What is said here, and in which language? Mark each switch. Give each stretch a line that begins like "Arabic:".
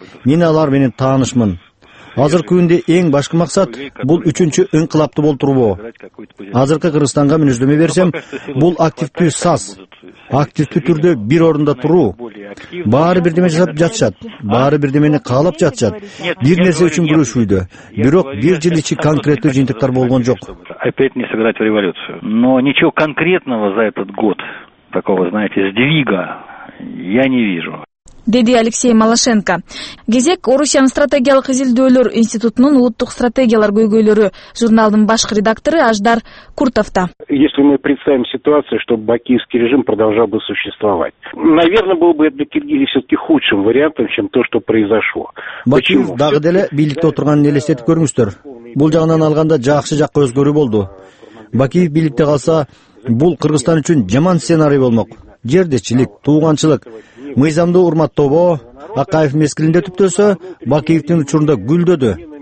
Kyrgyz: Мен алар менен таанышмын. Азыркы күндө эң башкы максат бул үчүнчү инкылапты болтурбоо. Азыркы Кыргызстанга мүнөздөмө берсем, бул активдүү саз. Активдүү түрдө бир орунда туруу. Баары бирдеме жасап жатышат, баары бирдемени каалап жатышат. Бир нерсе үчүн күрөшүүдө, бирок бир жыл ичи конкреттүү жыйынтыктар болгон жок.
Russian: Опять не сыграть в революцию. Но ничего конкретного за этот год, такого, знаете, сдвига, я не вижу.
Kyrgyz: Деди Алексей Малашенко. Кезек Орусиянын стратегиялык изилдөөлөр институтунун улуттук стратегиялар көйгөйлөрү журналынын башкы редактору Аждар Куртовта.
Russian: Если мы представим ситуацию, чтобы бакийский режим продолжал бы существовать, наверное, было бы для Киргизии все-таки худшим вариантом, чем то, что произошло.
Kyrgyz: Бакий дагы деле бийликте отурганын элестетип көрүңүздөр. Бул жагынан алганда жакшы жак өзгөрүү болду. Бакий бийликте калса, бул Кыргызстан үчүн жаман сценарий болмок. Жердечилик, тууганчылык, мыйзамды урматтоо, Акаев мескилинде түптөсө, Бакиевдин учурунда гүлдөдү.